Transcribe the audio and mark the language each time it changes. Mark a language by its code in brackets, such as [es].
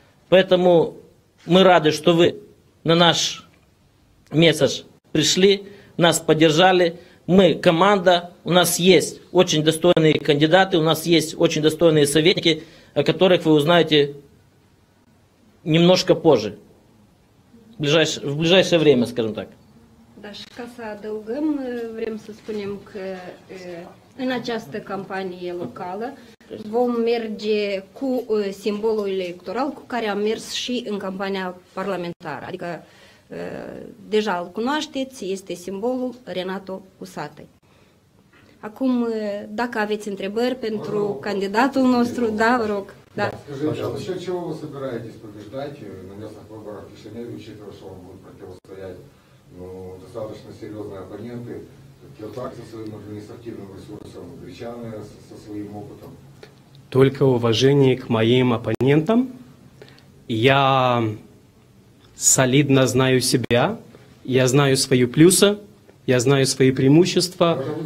[ru] Поэтому мы рады, что вы на наш месседж пришли, нас поддержали. Мы команда, у нас есть очень достойные кандидаты, у нас есть очень достойные советники, о которых вы узнаете немножко позже, в ближайшее время, скажем так. [ro] Dar ca să adăugăm, vrem să spunem că în această campanie locală vom merge cu simbolul electoral cu care am mers și în campania parlamentară. Adică, deja îl cunoașteți, este simbolul Renato Usatăi. Acum, dacă aveți întrebări pentru candidatul nostru, da, vă rog. Da. [ru] Скажите, за чего вы собираетесь побеждать на местных выборах в Кишиневе, учитывая, что вам будут противостоять? Ну, достаточно серьезные оппоненты, Келтак со своим административным ресурсом, Гречаны со своим опытом. Только уважение к моим оппонентам. Я солидно знаю себя, я знаю свои плюсы, я знаю свои преимущества.